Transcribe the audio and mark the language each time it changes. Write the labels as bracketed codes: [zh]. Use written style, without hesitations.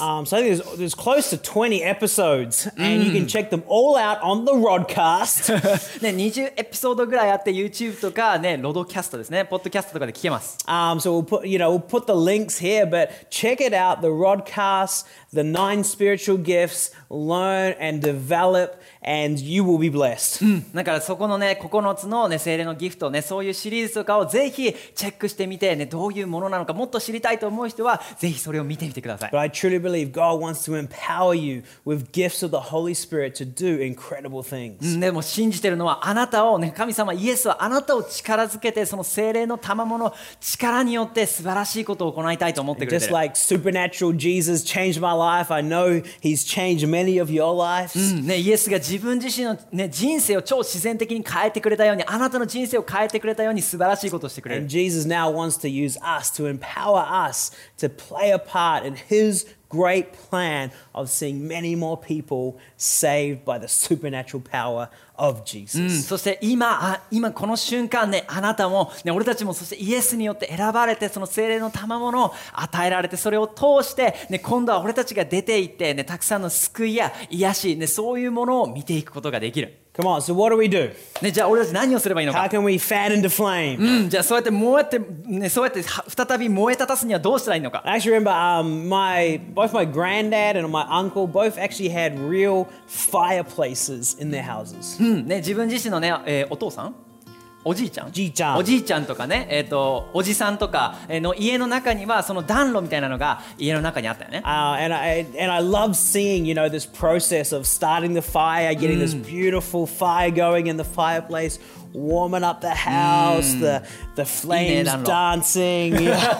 [en] So there's close to 20 episodes. And you can check them all out on the Rodcast. [ja] ね、20エピソードぐらいあって YouTube とかね、ロドキャストですね、ポッドキャストとかで聞けます。 [en] So we'll put the links here, but check it out, the Rodcast, the 9 spiritual gifts, learn and develop, and you will be blessed. [ja] だからそこのね、9つのね、聖霊のギフトね、そういうシリーズとかをぜひチェックしてみてね、どういうものなのかもっと知りたいと思う人はぜひそれを見てみてください。 [en] But I truly believe God wants to empower you with gifts of the Holy Spirit to do incredible things. [ja] でも信じてるのはあなたをね、神様イエスはあなたを力づけて、その聖霊の賜物の力によって素晴らしいことを行いたいと思ってくれてる。 [en] Just like supernatural Jesus changed my life, I know He's changed many of your lives. [ja] ね、イエスが自分自身のね、人生を超自然的に変えてくれたように、あなたの人生を変えてくれたように素晴らしいことをしてくれる。 [en] And Jesus now wants to use us to empower us to play a part in HisGreat plan of seeing many more people saved by the supernatural power of Jesus. [ja] そして今この瞬間ね、あなたもね、俺たちもそしてイエスによって選ばれて、その聖霊の賜物を与えられて、それを通してね、今度は俺たちが出て行ってね、たくさんの救いや癒しね、そういうものを見ていくことができる。 [en] Come on, so what do we do? [ja] ね、じゃあ俺たち何をすればいいのか。 [en] How can we fan into flame? [ja] じゃあそうやって燃えて、ね、そうやって再び燃え立たすにはどうしたらいいのか。 [en] I actually remember both my granddad and my uncle both actually had real fireplaces in their houses. [ja] ね、自分自身のね、お父さん。おじいちゃん、じいちゃん、おじいちゃんとかね、おじさんとかの家の中にはその暖炉みたいなのが家の中にあったよね。 [en] And I love seeing, you know, this process of starting the fire, getting this beautiful fire going in the fireplace, warming up the house, the flames dancing.